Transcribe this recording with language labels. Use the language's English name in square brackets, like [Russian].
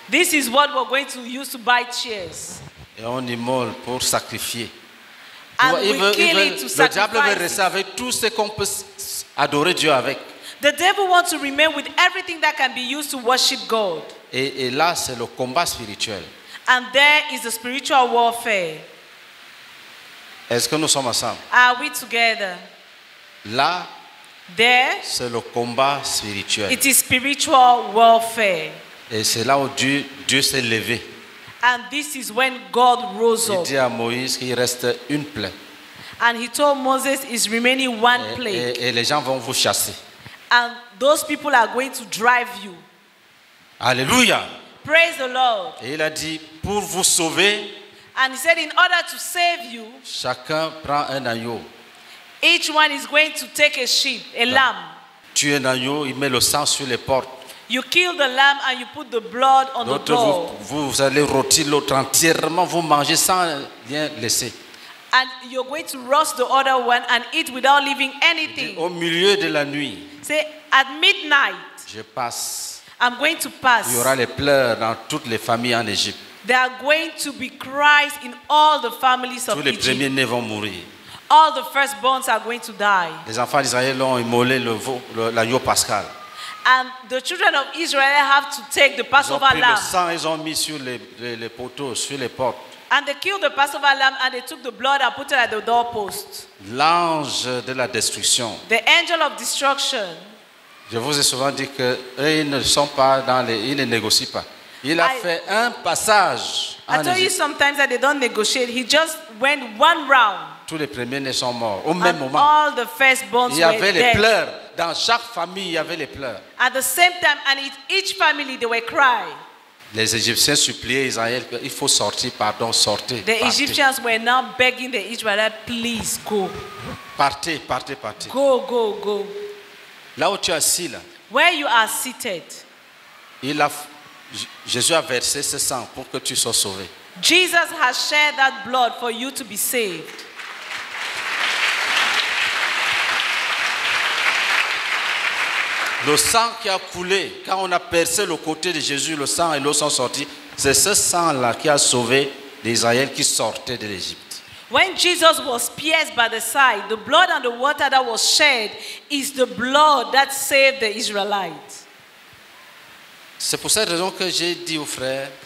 [English] This is what we're going to use to buy chairs. [French] Et on immole pour sacrifier. [English] And [French] il [English] we [French] veut, [English] kill [French] veut, [English] it to [French] le [English] sacrifice. [French] Le diable veut rester avec tout ce qu'on peut adorer Dieu avec. [English] The devil wants to remain with everything that can be used to worship God. [French] Et là, c'est le combat spirituel. [English] And there is the spiritual warfare. [French] Est-ce que nous sommes ensemble? [English] Are we together? [French] Là, [English] there, [French] c'est le combat spirituel. [English] It is spiritual warfare. [French] Et c'est là où Dieu s'est levé. [English] And this is when God rose up. [French] Il dit à Moïse qu'il reste une plaie. [English] And he told Moses it's remaining one plague. [French] Et les gens vont vous chasser. [English] And those people are going to drive you. [French] Alléluia. [English] Praise the Lord. [French] Et il a dit, pour vous sauver, [English] and he said, in order to save you, [French] chacun prend un agneau. [English] Each one is going to take a sheep, a lamb. [French] Tu es un agneau, il met le sang sur les portes. [English] You kill the lamb and you put the blood on [French] l'autre, [English] the door. [French] Vous allez rôtir l'autre entièrement, vous mangez sans rien laisser. [English] And you're going to roast the other one and eat without leaving anything. [French] Au milieu de la nuit. [English] Say, at midnight. [French] Je passe. [English] I'm going to pass. [French] Il y aura les pleurs dans toutes les familles en Égypte. [English] There are going to be cries in all the families of Egypt. [French] Tous les premiers-nés vont mourir. [English] All the firstborns are going to die. [French] Les enfants d'Israël ont immolé l'agneau pascal. [English] And the children of Israel have to take the Passover lamb. [French] Ils ont pris le sang, ils ont mis sur les poteaux, sur les portes. [English] And they killed the Passover lamb and they took the blood and put it at the doorpost. [French] L'ange de la destruction. [English] The angel of destruction. [French] Je vous ai souvent dit qu'eux, ils ne sont pas dans les... Ils ne négocient pas. Il a fait un passage en Égypte. [English] I told you sometimes that they don't negotiate. He just went one round. [French] Tous les premiers nés sont morts au même moment. [English] All the firstborns were dead. [French] Il y avait les pleurs. Dans chaque famille, il y avait les pleurs. [English] At the same time, and in each family, they were crying. [French] Les Égyptiens suppliaient Israël qu'il faut sortir, pardon, sortez. [English] The Egyptians were now begging the Israelites, please go. [French] Partez, partez, partez. [English] Go, go, go. [French] Là où tu es assis, là. [English] Where you are seated. [French] Il a Jésus a versé ce sang pour que tu sois sauvé. [English] Jesus has shed that blood for you to be saved. [French] Le sang qui a coulé, quand on a percé le côté de Jésus, le sang et l'eau sont sortis, c'est ce sang-là qui a sauvé l'Israël qui sortait de l'Égypte. [English] When Jesus was pierced by the side, the blood and the water that was shed is the blood that saved the Israelites. [French] C'est pour cette raison que j'ai dit aux frères,